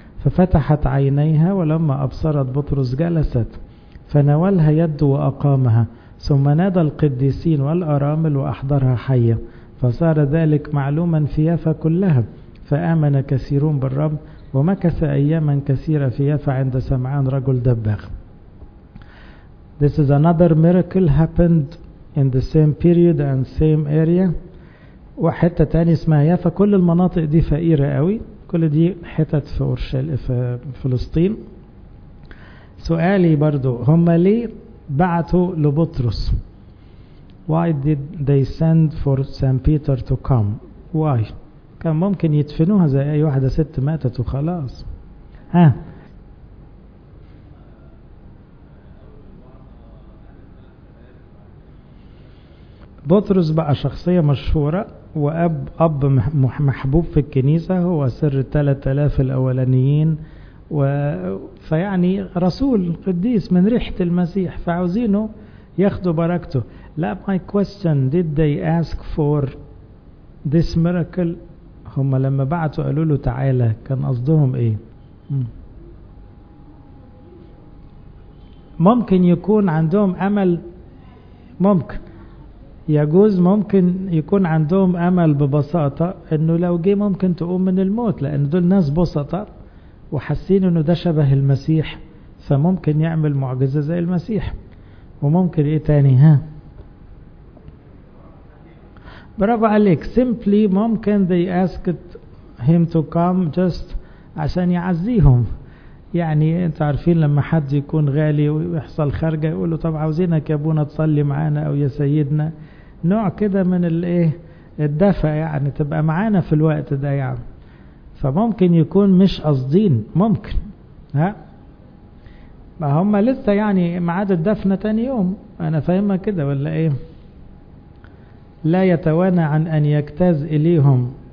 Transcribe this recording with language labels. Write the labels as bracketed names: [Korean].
[Arabic] ففتحت عينيها, ولما أبصرت بطرس جلست, فناولها يد وأقامها, ثم نادى القديسين والأرامل وأحضرها حية. فصار ذلك معلوما في يافا كلها, فآمن كثيرون بالرب, ومكث أياما كثيرة في يافا عند سمعان رجل دباغ. [English] This is another miracle happened in the same period and same area. [Arabic] وحتة تاني اسمها يافا, كل المناطق دي فقيرة قوي, كل دي حتت في أورشليم في فلسطين. سؤالي برضو, هم ليه بعتوا لبطرس؟ [English] Why did they send for Saint Peter to come? Why? [Arabic] كان ممكن يدفنوها زي أي واحدة ست ماتت وخلاص. ها. بطرس بقى شخصية مشهورة وأب أب محبوب في الكنيسة, هو سر 3000 الأولانيين, فيعني رسول قديس من ريحة المسيح, فعاوزينه ياخدوا بركته. [English] لا, my question, did they ask for this miracle? [Arabic] هم لما بعتوا قالوا له تعالى كان قصدهم ايه؟ ممكن يكون عندهم امل, ممكن يجوز, ممكن يكون عندهم امل ببساطة انه لو جه ممكن تقوم من الموت, لان دول ناس بسطة وحاسين انه ده شبه المسيح, فممكن يعمل معجزة زي المسيح. وممكن ايه تاني؟ ها برافو عليك. [English] simply [Arabic] ممكن [English] they asked him to come just [Arabic] عشان يعزيهم. يعني انت عارفين لما حد يكون غالي ويحصل خرجة يقول له طب عاوزينك يا ابونا تصلي معانا او يا سيدنا، نوع كده من الايه الدفع، يعني تبقى معانا في الوقت ده يعني. فممكن يكون مش قصدين، ممكن ها ما هم لسه يعني معاد الدفنة تاني يوم، انا فاهمها كده ولا ايه؟ لا يتوانى عن ان يجتاز اليهم.